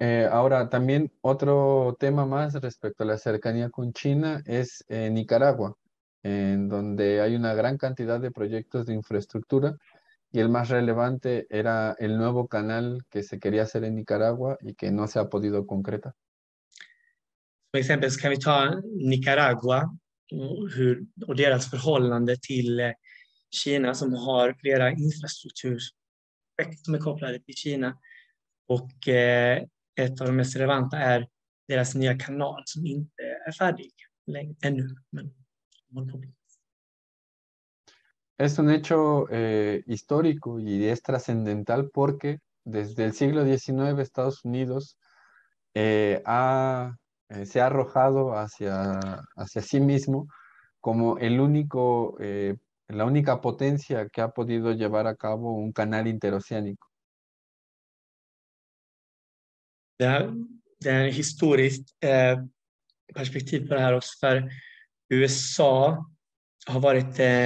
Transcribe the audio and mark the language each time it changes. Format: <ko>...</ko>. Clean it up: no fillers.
<es>Ahora también otro tema más respecto a la cercanía con China es Nicaragua, en donde hay una gran cantidad de proyectos de infraestructura y el más relevante era el nuevo canal que se quería hacer en Nicaragua y que no se ha podido concretar. Por ejemplo,</es> <sv>kan vi ta Nicaragua och deras förhållande till Kina som har flera infrastrukturprojekt som är kopplade till Kina. Och ett av de mest relevanta är deras nya kanal som inte är färdig längre ännu. Men</sv> <es>es un hecho histórico y es trascendental porque desde el siglo XIX Estados Unidos se ha arrojado hacia sí mismo como el único, la única potencia que ha podido llevar a cabo un canal interoceánico.</es> <sv>Det är ett historiskt perspektiv på det här också, för USA har varit</sv>